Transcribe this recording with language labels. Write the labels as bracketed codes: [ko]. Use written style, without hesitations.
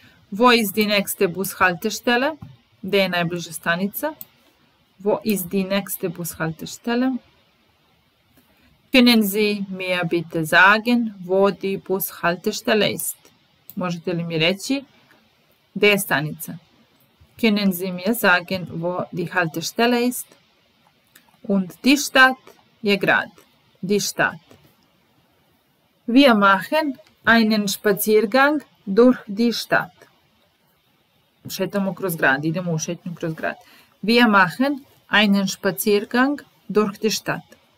[de] Wo ist die nächste Bushaltestelle? [sr] Gde je najbliža stanica? [de] Wo ist die nächste Bushaltestelle? Können Sie mir bitte sagen, wo die Bushaltestelle ist? [sr] Možete li mi reći gde je stanica? [de] Können Sie mir sagen, wo die Haltestelle ist? Und die Stadt je grad. Die Stadt. Wir machen einen Spaziergang durch die Stadt. [sr] Šetamo kroz grad, idemo u šetnju kroz grad. [de] Wir machen einen Spaziergang durch die Stadt.